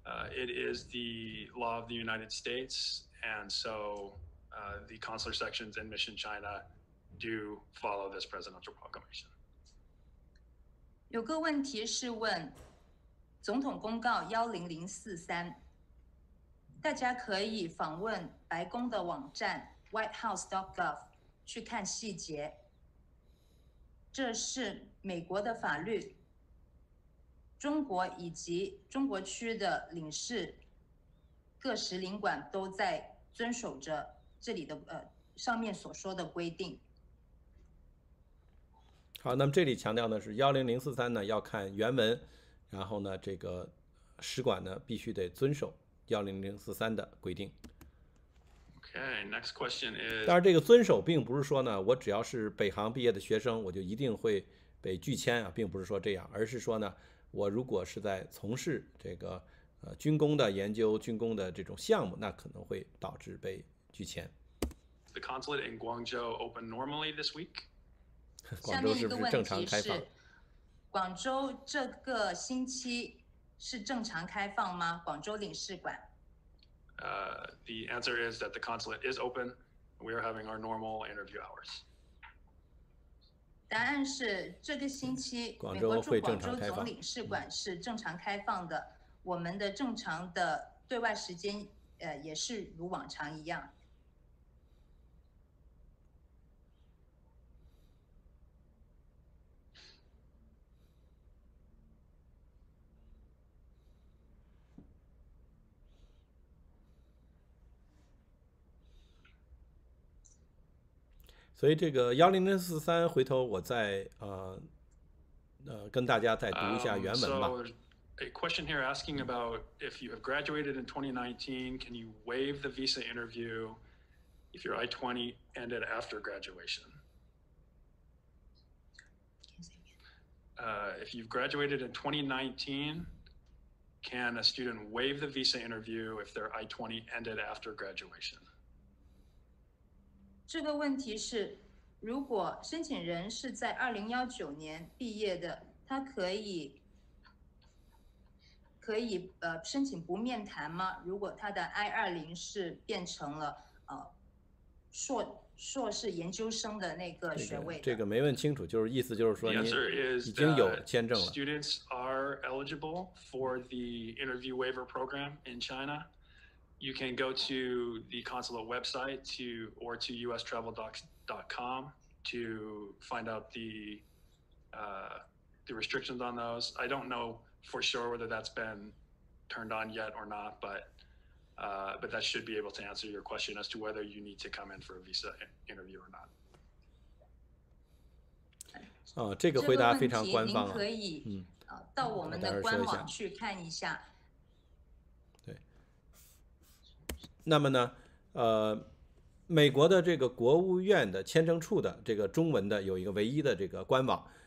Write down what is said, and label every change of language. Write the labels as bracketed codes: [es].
[en] It is the law of the United States, and so the consular sections in Mission China do follow this presidential proclamation. [zh] 有个问题是问总统公告10043。大家可以访问白宫的网站 whitehouse.gov 去看细节。这是美国的法律，中国以及中国区的领事、各使领馆都在遵守着这里的上面所说的规定。好，那么这里强调的是10043呢，要看原文，然后呢，这个使馆呢必须得遵守10043的规定。 [en] Okay, next question is. [zh] 但是这个遵守并不是说呢，我只要是北航毕业的学生，我就一定会被拒签啊，并不是说这样，而是说呢，我如果是在从事这个军工的研究、军工的这种项目，那可能会导致被拒签。 [en] The consulate in Guangzhou opened normally this week. [zh] 广州是不是正常开放？下面一个问题是，广州这个星期是正常开放吗？广州领事馆。 [en] The answer is that the consulate is open. We are having our normal interview hours. [zh] 答案是这个星期广州会正常开放，广州总领事馆是正常开放的，我们的正常的对外时间也是如往常一样。所以这个10043回头我再跟大家再读一下原文吧。 [en] A question here asking about if you have graduated in 2019, can you waive the visa interview if your I-20 ended after graduation? If you've graduated in 2019, can a student waive the visa interview if their I-20 ended after graduation? [zh] 这个问题是，如果申请人是在2019年毕业的，他可以申请不面谈吗？如果他的 I-20 是变成了硕士研究生的那个学位的。这个没问清楚，就是意思就是说你已经有签证了。 [en] Students are eligible for the interview waiver program in China. You can go to the consulate website or to ustraveldocs.com to find out the restrictions on those. I don't know. For sure, whether that's been turned on yet or not, but that should be able to answer your question as to whether you need to come in for a visa interview or not. [zh] 啊，这个回答非常官方啊。这个问题您可以到我们的官网去看一下。对。那么呢，美国的这个国务院的签证处的这个中文的有一个唯一的这个官网。